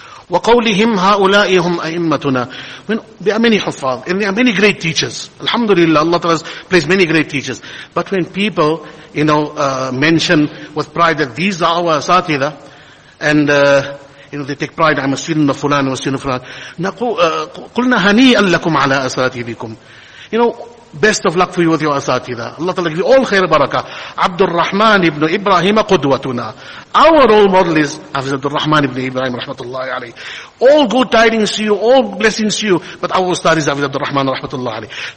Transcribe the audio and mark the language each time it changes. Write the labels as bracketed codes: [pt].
[ar] وقولهم هؤلاء هم أئمتنا. [en] There are many حفاظ, and there are many great teachers. Alhamdulillah, Allah has placed many great teachers. But when people, you know, mention with pride that these are our asatidha, and you know, they take pride, I'm a student of fulan, I'm a student of fulan. [ar] قلنا هنيئاً لكم على أساتذكم. [en] You know, best of luck for you with your asatidha. Allah Ta'ala give you all khair barakah. Abdul Rahman ibn Ibrahim qudwatuna. Our role model is Hafiz Abdul Rahman ibn Ibrahim rahmatullahi alayhi. All good tidings to you, all blessings to you, but our ustad is Hafiz Abdul Rahman rahmatullahi alayhi.